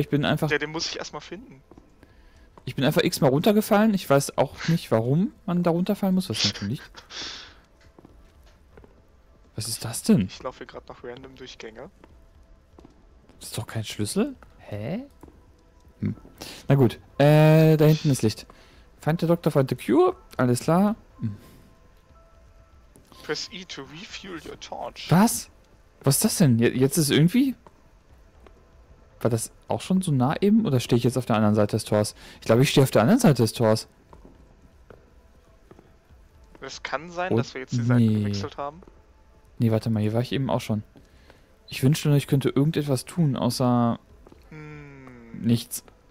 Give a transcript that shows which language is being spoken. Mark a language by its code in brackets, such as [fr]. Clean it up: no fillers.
[de] Ja, den muss ich erstmal finden. Ich bin einfach x-mal runtergefallen. Ich weiß auch nicht, warum man da runterfallen muss, was da hinten liegt. Was ist das denn? Ich laufe hier gerade nach random Durchgänge. Das ist doch kein Schlüssel? Hä? Na gut. Da hinten ist Licht. [en] Find the doctor, find the cure. [de] Alles klar. [en] Press E to refuel your torch. [de] Was? Was ist das denn? Jetzt ist irgendwie. War das auch schon so nah eben? Oder stehe ich jetzt auf der anderen Seite des Tors? Ich glaube, ich stehe auf der anderen Seite des Tors. Es kann sein, Und dass wir jetzt die Seiten nee. gewechselt haben. Nee, warte mal, hier war ich eben auch schon. Ich wünschte nur, ich könnte irgendetwas tun, außer nichts.